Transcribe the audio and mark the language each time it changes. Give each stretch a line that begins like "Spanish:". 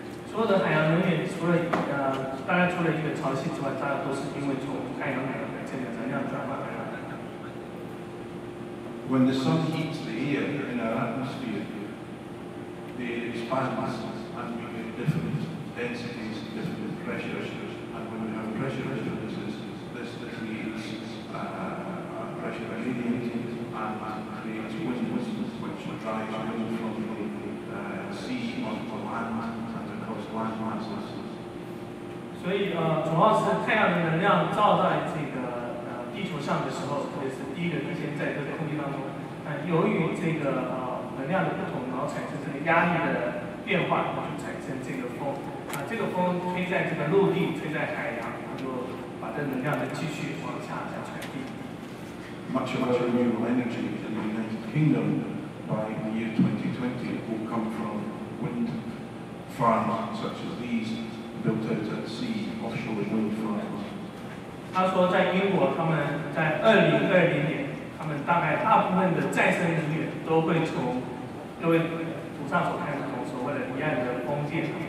Chinese: 所有的海洋能源除了大概除了一个潮汐之外，大概都是因为从太阳来的，这个能量转换而来的。
English: When the sun heats the air in our atmosphere, the expands and we get different densities, different pressures, and when we have pressure differences, this creates pressure gradient and creates winds, which drive wind from the sea onto land and across land masses.
Chinese: 所以主要是太阳的能量照在这个地球上的时候，特别是第一个地线在这个空间当中，由于这个能量的不同，然后产生这个压力的变化，然后就产生这个风。这个风吹在这个陆地，吹在海洋，它就把这能量呢继续往下再传递。
English: Much of our renewable energy in the United Kingdom by the year 2020 will come from wind farms such as these built out at sea, offshore wind farms.
Chinese: 他说在英国，他们在2020年，他们大概大部分的再生能源都会从各位图上所看到所谓的离岸的风电，